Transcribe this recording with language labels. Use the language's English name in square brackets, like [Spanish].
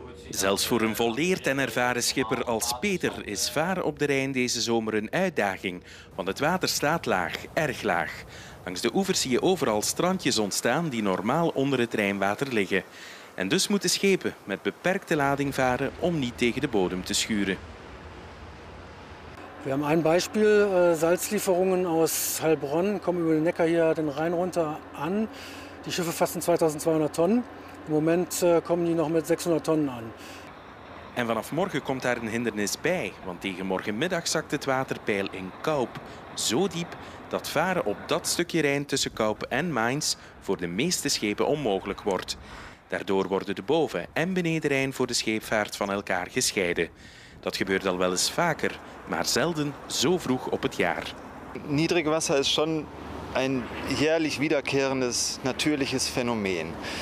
[Dutch] Zelfs voor een volleerd en ervaren schipper als Peter is varen op de Rijn deze zomer een uitdaging. Want het water staat laag, erg laag. Langs de oevers zie je overal strandjes ontstaan die normaal onder het Rijnwater liggen. En dus moeten schepen met beperkte lading varen om niet tegen de bodem te schuren. [German] Wir haben ein Beispiel, Salzlieferungen aus Heilbronn kommen über den Neckar hier den Rhein runter an. Die Schiffe fassen 2200 Tonnen. Im Moment kommen die noch mit 600 Tonnen an. [Dutch] En vanaf morgen komt daar een hindernis bij, want tegen morgenmiddag zakt het waterpeil in Kaup. Zo diep dat varen op dat stukje Rijn tussen Kaup en Mainz voor de meeste schepen onmogelijk wordt. Daardoor worden de boven- en beneden Rijn voor de scheepvaart van elkaar gescheiden. Dat gebeurt al wel eens vaker, maar zelden zo vroeg op het jaar. [German] Niedrig Wasser is schon een jährlich wiederkehrendes natürliches Phänomen.